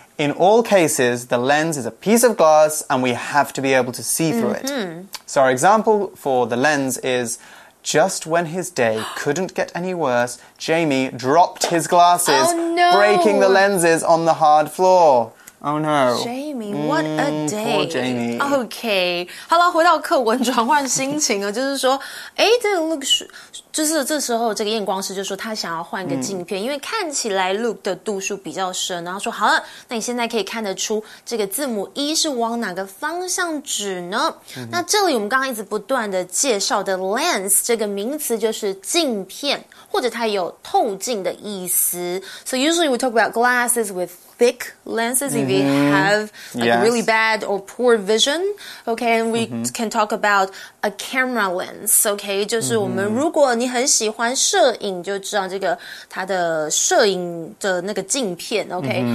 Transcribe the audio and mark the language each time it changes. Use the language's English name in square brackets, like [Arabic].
[English] In all cases, the lens is a piece of glass and we have to be able to see through it. So our example for the lens is, just when his day couldn't get any worse, Jamie dropped his glasses, breaking the lenses on the hard floor. Oh no. Jamie, what a day. Poor Jamie. Okay. [Chinese] 好了，回到课文转换心情了，就是说，诶，这个 look 是就是这时候这个验光师就说他想要换个镜片，因为看起来 look 的度数比较深，然后说好了，那你现在可以看得出这个字母 E 是往哪个方向指呢？那这里我们刚刚一直不断的介绍的 lens 这个名词就是镜片，或者它有透镜的意思。 [English] So usually we talk about glasses with thick lenses if you have really bad or poor vision. Okay, and we can talk about a camera lens. [Chinese] Okay, 就是我们如果你很喜欢摄影就知道这个它的摄影的那个镜片 okay?